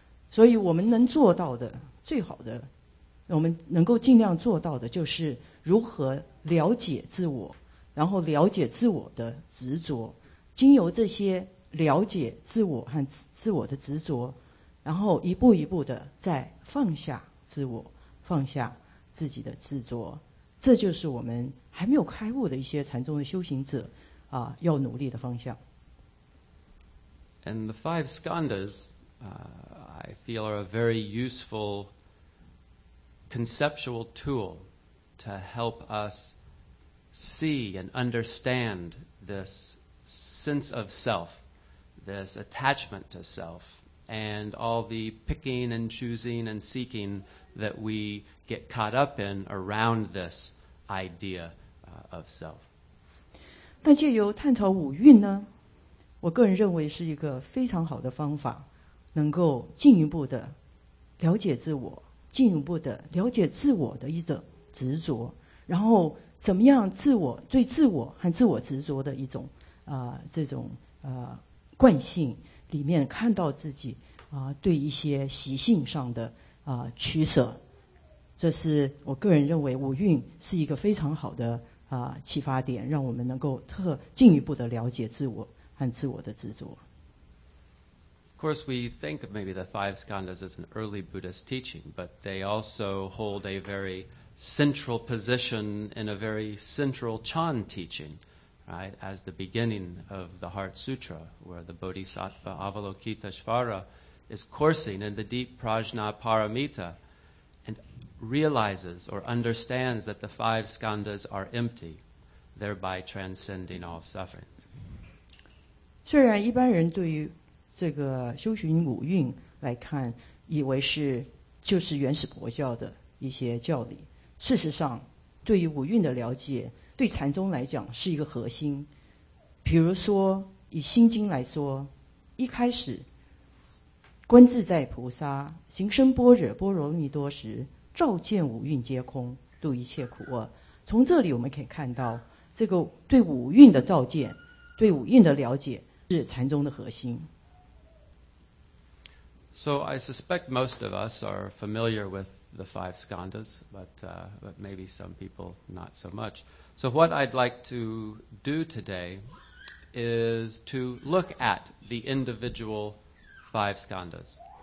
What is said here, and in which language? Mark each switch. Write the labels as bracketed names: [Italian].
[Chinese] 所以我们能做到的最好的，我们能够尽量做到的就是如何了解自我，然后了解自我的执着，经由这些了解自我和自我的执着，然后一步一步的再放下自我，放下自己的执着，这就是我们还没有开悟的一些禅宗的修行者要努力的方向。 [English] And the five skandhas I feel are a very usefulconceptual tool to help us see and understand this sense of self, this attachment to self, and all the picking and choosing and seeking that we get caught up in around this idea of self. [Chinese] 但借由探讨五蕴呢，我个人认为是一个非常好的方法，能够进一步的了解自我，进一步的了解自我的一种执着，然后怎么样自我对自我和自我执着的一种这种惯性里面看到自己对一些习性上的取舍，这是我个人认为五蕴是一个非常好的启发点，让我们能够进一步的了解自我和自我的执着。 [English] Of course, we think of maybe the five skandhas as an early Buddhist teaching, but they also hold a very central position in a very central Chan teaching, right, as the beginning of the Heart Sutra, where the Bodhisattva Avalokiteshvara is coursing in the deep Prajna Paramita and realizes or understands that the five skandhas are empty, thereby transcending all sufferings. [Chinese] 虽然一般人对于这个修行五蕴来看，以为是就是原始佛教的一些教理，事实上对于五蕴的了解，对禅宗来讲是一个核心。比如说以心经来说，一开始观自在菩萨行深般若波罗蜜多时，照见五蕴皆空，度一切苦厄。从这里我们可以看到，这个对五蕴的照见，对五蕴的了解是禅宗的核心。 [English] So I suspect most of us are familiar with the five skandhas, but maybe some people not so much. So what I'd like to do today is to look at the individual five skandhas,